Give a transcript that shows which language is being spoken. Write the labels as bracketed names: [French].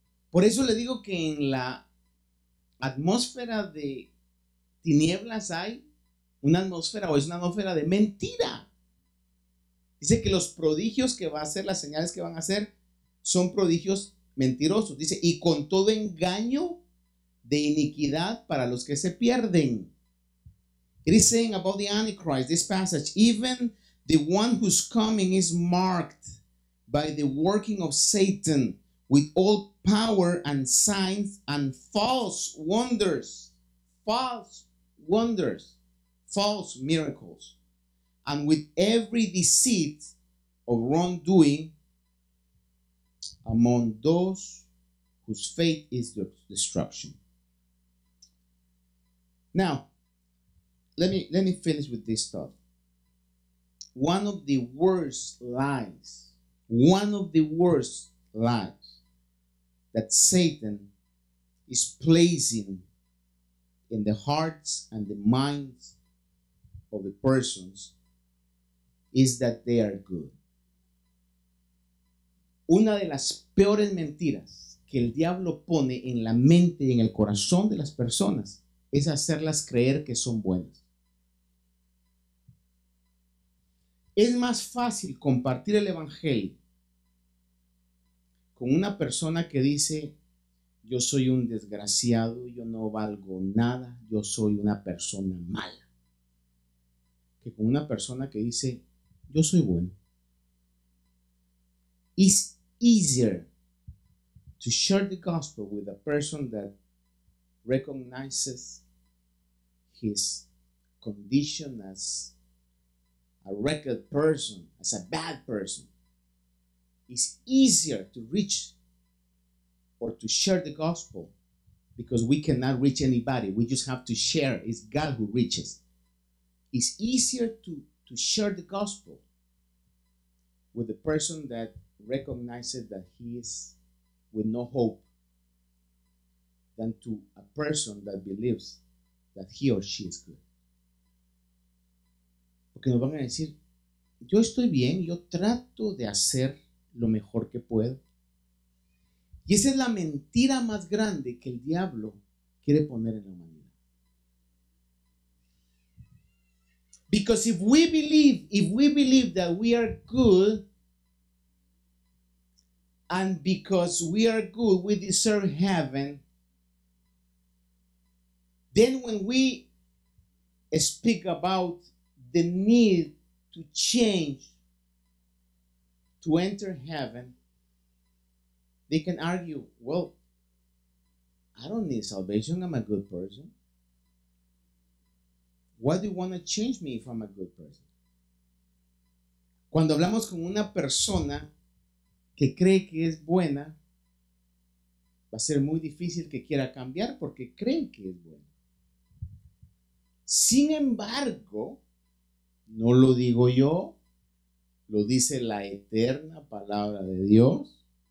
[Spanish] Por eso le digo que en la atmósfera de tinieblas hay una atmósfera, o es una atmósfera de mentira. Dice que los prodigios que va a hacer, las señales que van a hacer, son prodigios mentirosos. Dice, y con todo engaño de iniquidad para los que se pierden. [English] It is saying about the Antichrist, this passage, even the one whose coming is marked by the working of Satan with all power and signs and false miracles, and with every deceit of wrongdoing among those whose faith is the destruction. Now, let me finish with this thought. One of the worst lies, one of the worst lies that Satan is placing in the hearts and the minds of the persons is that they are good. [Spanish] Una de las peores mentiras que el diablo pone en la mente y en el corazón de las personas es hacerlas creer que son buenas. Es más fácil compartir el evangelio con una persona que dice, yo soy un desgraciado, yo no valgo nada, yo soy una persona mala, que con una persona que dice, yo soy bueno. [English] It's easier to share the gospel with a person that recognizes his condition as a wrecked person, as a bad person. It's easier to reach or to share the gospel, because we cannot reach anybody. We just have to share. It's God who reaches. It's easier to share the gospel with the person that recognizes that he is with no hope than to a person that believes that he or she is good. [Spanish] Porque nos van a decir, yo estoy bien, yo trato de hacer lo mejor que puedo. Y esa es la mentira más grande que el diablo quiere poner en la humanidad. [English] Because if we believe that we are good, and because we are good, we deserve heaven, then when we speak about the need to change, to enter heaven, They can argue, well, I don't need salvation. I'm a good person. Why do you want to change me if I'm a good person? [Spanish] Cuando hablamos con una persona que cree que es buena, va a ser muy difícil que quiera cambiar porque cree que es buena. Sin embargo, no lo digo yo, lo dice la eterna palabra de Dios.